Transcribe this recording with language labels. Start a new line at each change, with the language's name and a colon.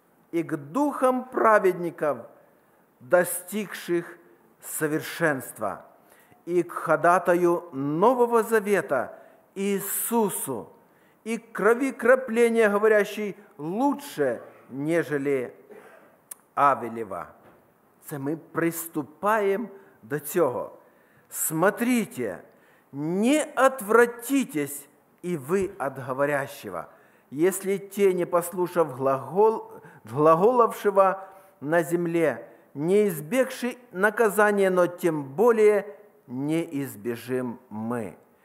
Russian: и к духам праведников, достигших совершенства, и к ходатаю Нового Завета Иисусу, и к крови кропления, говорящей лучше, нежели Авелева».
Ukrainian: Це ми приступаємо до цього.
Russian: Смотрите, не отвратитесь и вы от говорящего, если те, не послушав глаголовшего на земле, не избегши наказания, но тем более не избежим мы,